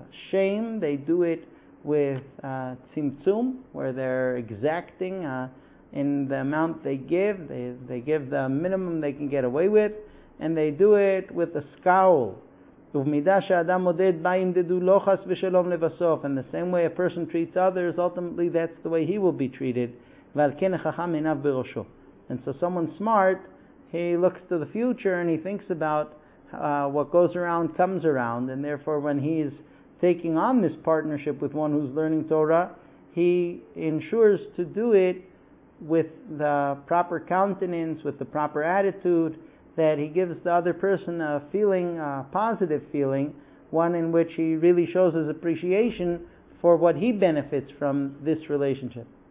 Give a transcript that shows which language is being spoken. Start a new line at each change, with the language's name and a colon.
English: shame, they do it with tzimtzum, where they're exacting in the amount they give, they give the minimum they can get away with, and they do it with a scowl.
Hebrew: ובמידה שאדם מודד בה ימדדו לא חס ושלום לבסוף.
English: And the same way a person treats others, ultimately that's the way he will be treated.
Hebrew: ועל כן החכם עיניו בראשו.
English: And so someone smart, he looks to the future and he thinks about what goes around comes around. And therefore when he is taking on this partnership with one who's learning Torah, he ensures to do it with the proper countenance, with the proper attitude, that he gives the other person a feeling, a positive feeling, one in which he really shows his appreciation for what he benefits from this relationship.